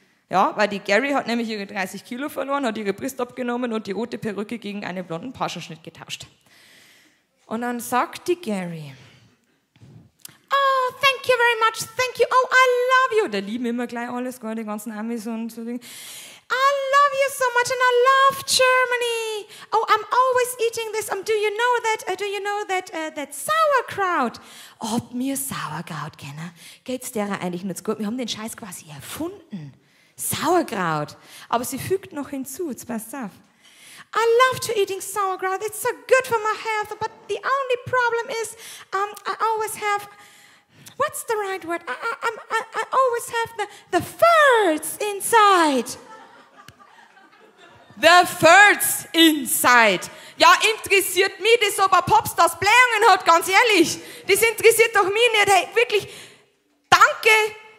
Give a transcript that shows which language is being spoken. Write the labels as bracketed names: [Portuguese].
[German] Ja, weil die Gary hat nämlich ihre 30 Kilo verloren, hat ihre Brust abgenommen und die rote Perücke gegen einen blonden Parschenschnitt getauscht. Und dann sagt die Gary, [English] oh, thank you very much, thank you, oh, I love you. [German] Da lieben immer gleich alles, gell, die ganzen Amis und so Dinge. [English] I love you so much and I love Germany. Oh, I'm always eating this. Do you know that Sauerkraut? [German] Ob mir Sauerkraut kennen, geht's derer eigentlich nicht gut. Wir haben den Scheiß quasi erfunden. Sauerkraut. Aber sie fügt noch hinzu, jetzt passt auf. [English] I love to eating Sauerkraut. It's so good for my health. But the only problem is I always have... What's the right word? I always have the furts inside. The furts inside. [German] Ja, interessiert mich das, ob ein Popstars Blähungen hat, ganz ehrlich. Das interessiert doch mich nicht. Hey, wirklich, danke.